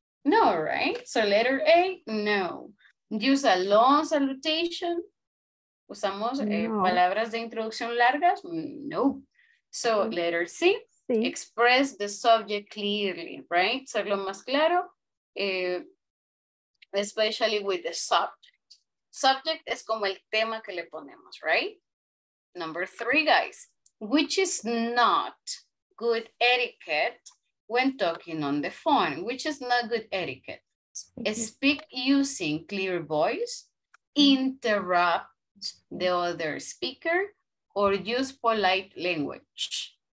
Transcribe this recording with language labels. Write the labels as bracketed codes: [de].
[en] No, right? So letter A, no. Use a long salutation. [es] Usamos palabras de introducción largas? No. [en] So, letter C, express the subject clearly, right? [es] Serlo más claro, [en] especially with the subject. [es] Subject es como el tema que le ponemos, right? [en] Number three, guys, which is not good etiquette when talking on the phone? Which is not good etiquette? Mm-hmm. Speak using clear voice, interrupt the other speaker, or use polite language?